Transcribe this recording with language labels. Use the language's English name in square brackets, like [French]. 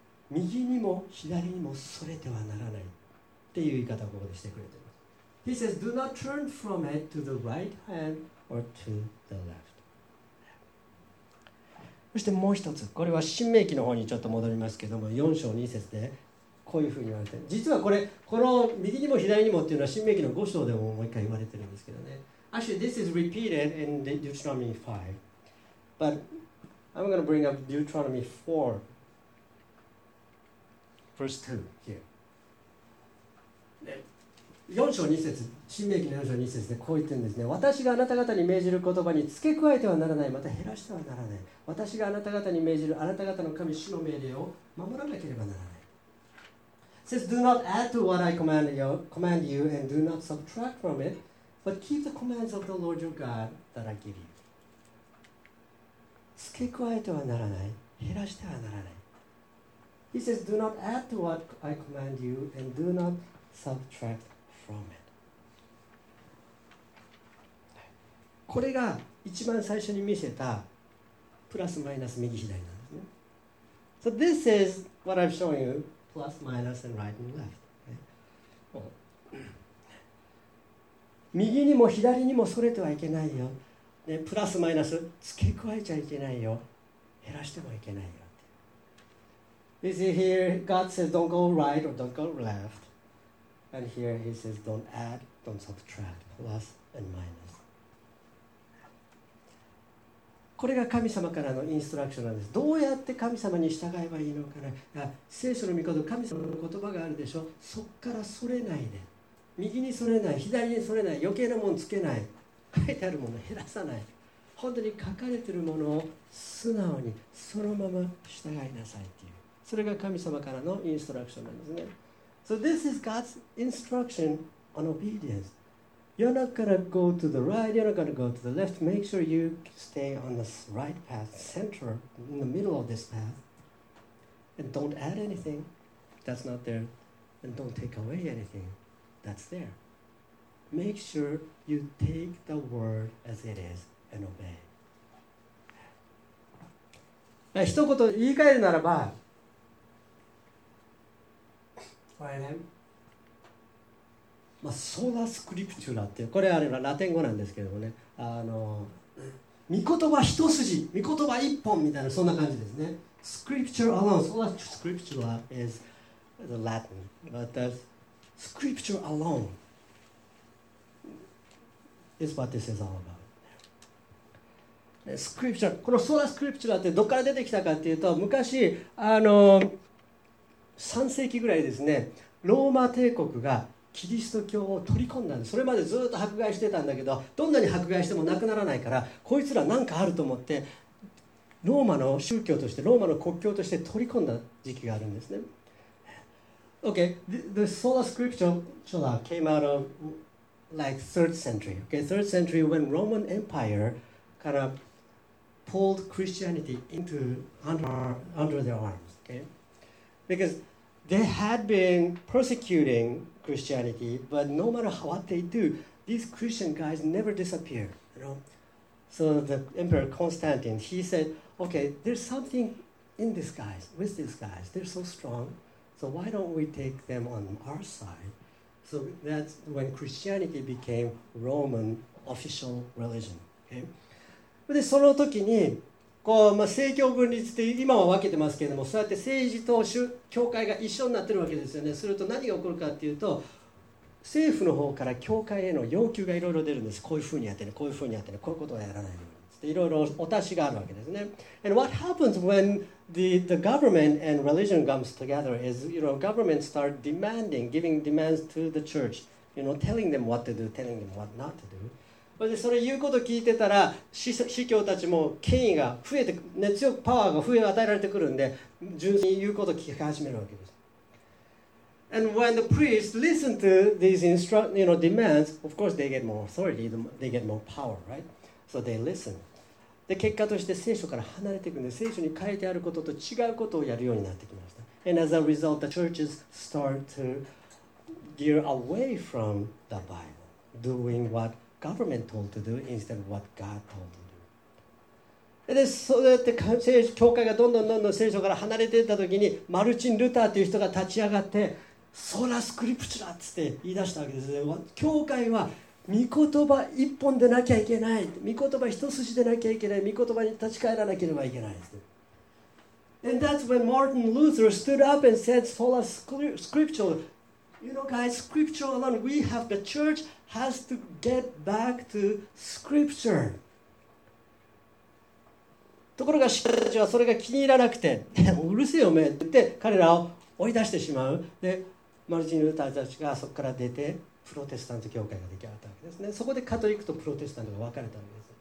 [Japanese] 右にも左にもそれてはならないっていう言い方をここでしてくれています。 [English] He says, Do not turn from it to the right hand or to the left. [Japanese] そしてもう一つ、これは申命記の方にちょっと戻りますけども、4章2節でこういうふうに言われて、実はこれ、この右にも左にもっていうのは申命記の5章でももう一回言われてるんですけどね。 [English] Actually, this is repeated in Deuteronomy 5. But I'm going to bring up Deuteronomy 4. Verse 2, here. [Japanese] 4章2節、申命記の4章2節でこう言ってるんですね。私があなた方に命じる言葉に付け加えてはならない、また減らしてはならない、私があなた方に命じるあなた方の神主の命令を守らなければならない。 [English] It says, Do not add to what I command you and do not subtract from it, but keep the commands of the Lord your God that I give you. [Japanese] 付け加えてはならない、減らしてはならない。 [English] He says, do not add to what I command you and do not subtract from it. [Japanese] これが一番最初に見せたプラスマイナス右左なんですね。 [English] So this is what I'm showing you, plus, minus, and right and left. [Japanese] 右にも左にもそれてはいけないよ。ね、プラスマイナス付け加えちゃいけないよ。減らしてもいけないよ。 [English] You see here, God says, don't go right or don't go left. And here he says, don't add, don't subtract, plus and minus. [Japanese] これが神様からのインストラクションなんです。どうやって神様に従えばいいのかな。聖書の御言葉、神様の言葉があるでしょ。そっからそれないで。右にそれない、左にそれない、余計なものつけない。書いてあるものを減らさない。本当に書かれているものを素直にそのまま従いなさいっていう。それが神様からのインストラクションなんですね。 [English] So this is God's instruction on obedience. You're not gonna go to the right, you're not gonna go to the left. Make sure you stay on the right path, center, in the middle of this path. And don't add anything that's not there. And don't take away anything that's there. Make sure you take the word as it is and obey. [Japanese] 一言言い換えるならば、まあ、ソラスクリプチュラってこれあれはラテン語なんですけどもね、御言葉一筋、御言葉一本みたいな、そんな感じですね。 [English] スクリプチュラ alone、 ソラスクリプチュラ is the Latin but that's scripture alone is what this is all about。 [Japanese] スクリプチュラ、このソラスクリプチュラってどっから出てきたかっていうと、昔3世紀ぐらいですね、ローマ帝国がキリスト教を取り込んだんです。それまでずっと迫害してたんだけど、どんなに迫害してもなくならないから、こいつらなんかあると思ってローマの宗教として、ローマの国教として取り込んだ時期があるんですね。 [English] OK, the sola scriptura came out of like 3rd century. OK, 3rd century when Roman Empire kind of pulled Christianity into under their arms. OK? Because they had been persecuting Christianity, but no matter what they do, these Christian guys never disappear. You know? So the Emperor Constantine, he said, okay, there's something in these guys, with these guys. They're so strong. So why don't we take them on our side? So that's when Christianity became Roman official religion. Okay? But then, [Japanese] その時に、こう、まあ、政教分立って今は分けてますけれども、そうやって政治と教会が一緒になってるわけですよね。すると何が起こるかっていうと、政府の方から教会への要求がいろいろ出るんです。こういうふうにやってね、こういうふうにやってね、こういうことはやらないようにっていろいろお達しがあるわけですね。 [English] And what happens when the government and religion comes together is, you know, government start demanding, giving demands to the church, you know, telling them what to do, telling them what not to do. [Japanese] でそれ言うこと聞いてたら、司教たちも権威が増えて、ね、強くパワーが増え与えられてくるんで、純粋に言うこと聞き始めるわけです。 [English] And when the priests listen to these you know, demands, of course they get more authority, they get more power, right? So they listen. [Japanese] で結果として聖書から離れていくんで、聖書に書いてあることと違うことをやるようになってきました。 [English] And as a result, the churches start to gear away from the Bible, doing what government told to do instead of what God told to do. [Japanese] でそうやって教会がどんどんどんどん聖書から離れていったときに、マルチン・ルターという人が立ち上がって、ソラスクリプチュラって言い出したわけですね。教会は御言葉一本でなきゃいけない、御言葉一筋でなきゃいけない、御言葉に立ち返らなければいけないです、ね、 [English] And that's when Martin Luther stood up and said Sola Scriptura. You know guys, Scripture alone, we have, the church has to get back to Scripture. [Japanese] ところが信徒たちはそれが気に入らなくて、うるせえよおめえって彼らを追い出してしまう。でマルチン・ルーターたちがそこから出て、プロテスタント教会が出来上がったわけですね。そこでカトリックとプロテスタントが分かれたんです。